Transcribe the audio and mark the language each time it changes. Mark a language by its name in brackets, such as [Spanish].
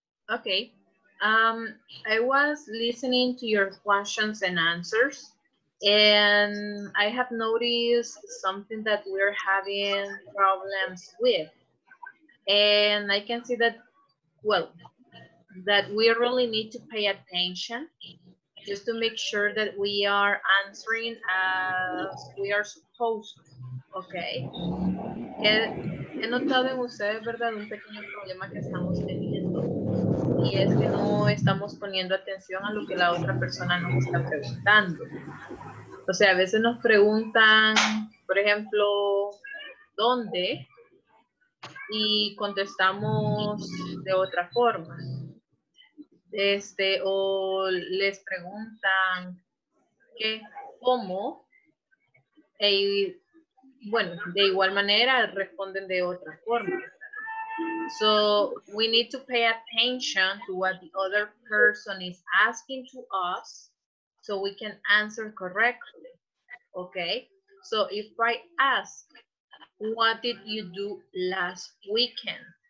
[English] Okay, I was listening to your questions and answers, and I have noticed something that we're having problems with. And I can see that, well, that we really need to pay attention just to make sure that we are answering as we are supposed to. Okay. [Spanish] He notado en ustedes, ¿verdad?, un pequeño problema que estamos teniendo. Y es que no estamos poniendo atención a lo que la otra persona nos está preguntando. O sea, a veces nos preguntan, por ejemplo, ¿dónde? Y contestamos de otra forma. O les preguntan, ¿qué? ¿Cómo? Bueno, de igual manera responden de otra forma. [English] So we need to pay attention to what the other person is asking to us so we can answer correctly. Okay? So if I ask, what did you do last weekend?